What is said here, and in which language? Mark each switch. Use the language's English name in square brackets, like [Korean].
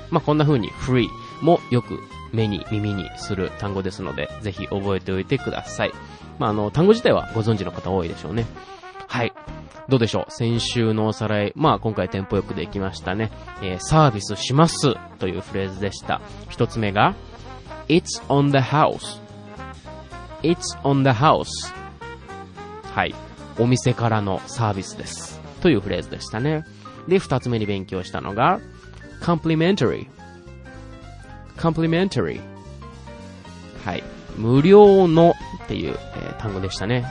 [Japanese] まあ、こんな風に free もよく目に耳にする単語ですので、ぜひ覚えておいてください。まあ、あの、単語自体はご存知の方多いでしょうね。はい。どうでしょう。先週のおさらい。まあ、今回テンポよくできましたね。サービスしますというフレーズでした。 [English] 一つ目が、It's on the house. It's on the house. はい。 [Japanese] お店からのサービスです。というフレーズでしたね。で、二つ目に勉強したのが、complimentary complimentary はい、無料のっていう、単語でしたね。